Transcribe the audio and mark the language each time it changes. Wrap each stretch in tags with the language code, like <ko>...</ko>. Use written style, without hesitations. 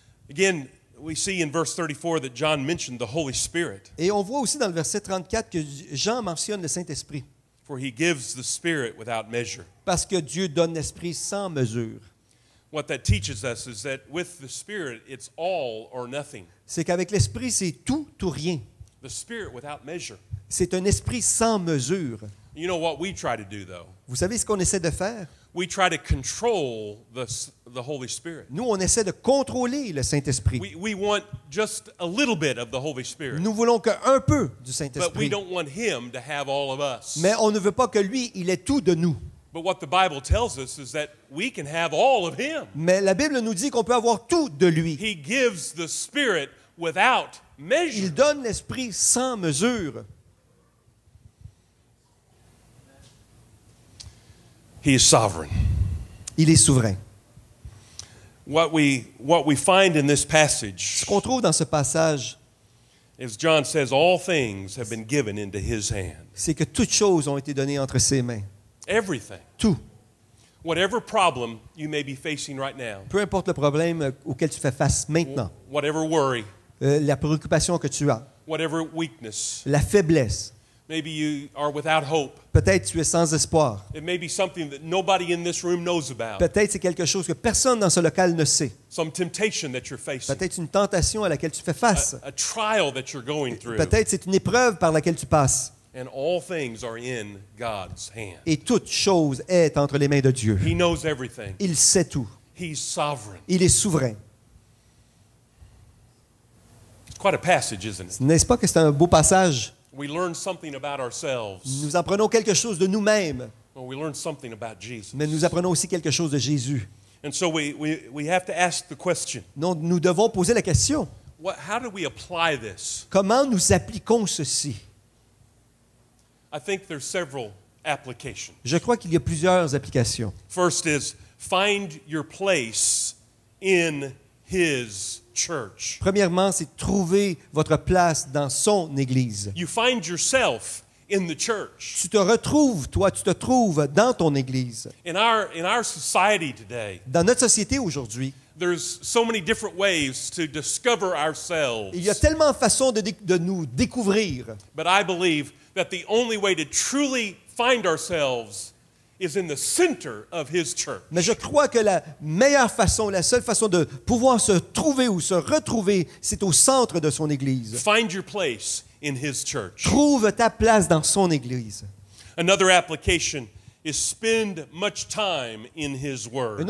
<en>Again, we see in verse 34 that John mentioned the Holy Spirit.</en> <fr>Et on voit aussi dans le verset 34 que Jean mentionne le Saint-Esprit.</fr> <en>For he gives the Spirit without measure.</en> <fr>Parce que Dieu donne l'Esprit sans mesure.</fr> <en>What that teaches us is that with the Spirit it's all or nothing.</en> <fr>C'est qu'avec l'Esprit c'est tout ou rien.</fr> <en>The Spirit without measure.</en> <fr>C'est un esprit sans mesure.</fr> <en>You know what we try to do though?</en> <fr>Vous savez ce qu'on essaie de faire?</fr> <en>We try to control the Holy Spirit.</en> <fr>Nous on essaie de contrôler le Saint-Esprit.</fr> <en>We want just a little bit of the Holy Spirit.</en> <fr>Nous voulons que un peu du Saint-Esprit.</fr> <en>But we don't want him to have all of us.</en> <fr>Mais on ne veut pas que lui il ait tout de nous.</fr> <en>But what the Bible tells us is that we can have all of him.</en> <fr>Mais la Bible nous dit qu'on peut avoir tout de lui.</fr> <en>He gives the Spirit without measure.</en> <fr>Il donne l'Esprit sans mesure.</fr> <en>He is sovereign.</en> <fr>Il est souverain.</fr> <en>What we find in this passage,</en> <fr>ce qu'on trouve dans ce passage,</fr> <en>as John says, all things have been given into his hand.</en> <fr>C'est que toutes choses ont été données entre ses mains.</fr> <en>Everything.</en> <fr>Tout.</fr> <en>Whatever problem you may be facing right now.</en> <fr>Peu importe le problème auquel tu fais face maintenant.</fr> <en>Whatever worry.</en> <fr>La préoccupation que tu as.</fr> <en>Whatever weakness.</en> <fr>La faiblesse.</fr> <en>Maybe you are without hope.</en> <fr>Peut-être tu es sans espoir.</fr> <en>It may be something that nobody in this room knows about.</en> <fr>Peut-être c'est quelque chose que personne dans ce local ne sait.</fr> <en>Some temptation that you're facing.</en> <fr>Peut-être une tentation à laquelle tu fais face.</fr> <en>A trial that you're going through.</en> <fr>Peut-être c'est une épreuve par laquelle tu passes.</fr> <en>And all things are in God's hand.</en> <fr>Et toute chose est entre les mains de Dieu.</fr> <en>He knows everything.</en> <fr>Il sait tout.</fr> <en>He's sovereign.</en> <fr>Il est souverain.</fr> <en>quite a passage, isn't it?</en> <fr>N'est-ce pas que c'est un beau passage?</fr> <en>We learn something about ourselves.</en> <fr>Nous apprenons quelque chose de nous-mêmes.</fr> <en>Well, we learn something about Jesus.</en> <fr>Mais nous apprenons aussi quelque chose de Jésus.</fr> <en>And so we have to ask the question.</en> <fr>Non, nous devons poser la question.</fr> <en>What, how do we apply this?</en> <fr>Comment nous appliquons ceci?</fr> <en>I think there's several applications.</en> <fr>Je crois qu'il y a plusieurs applications.</fr> <en>First is find your place in His church.</en> <fr>Premièrement, c'est trouver votre place dans son église.</fr> <en>You find yourself in the church.</en> <fr>Tu te retrouves, toi, tu te trouves dans ton église.</fr> <en>In our society today,</en> <fr>dans notre société aujourd'hui,</fr> <en>there's so many different ways to discover ourselves.</en> <fr>Il y a tellement de façons de nous découvrir.</fr> <en>But I believe that the only way to truly find ourselves is in the center of His church.</en> <fr>Mais je crois que la meilleure façon, la seule façon de pouvoir se trouver ou se retrouver, c'est au centre de son église.</fr> <en>Find your place in His church.</en> <fr>Trouve ta place dans son église.</fr> <en>Another application is spend much time in His word.</en>